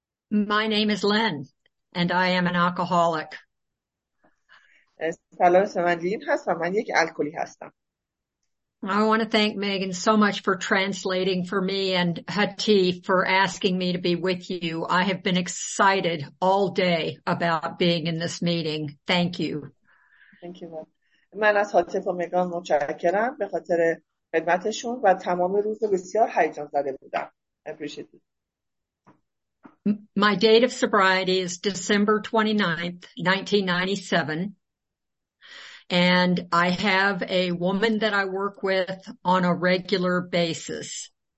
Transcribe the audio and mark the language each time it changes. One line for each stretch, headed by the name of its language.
English: My name is Len, and I am an alcoholic.
Persian: سلام، من لین هستم، من یک الکلی هستم.
English: I want to thank Megan so much for translating for me and Hatif for asking me to be with you. I have been excited all day about being in this meeting. Thank you. Thank you.
Persian: من از هاتف و مگان متشکرم به خاطر خدمتشون و تمام روز بسیار هیجان زده بودم.
English: I appreciate it. My date of sobriety is December 29th, 1997. And I have a woman that I work with on a regular basis.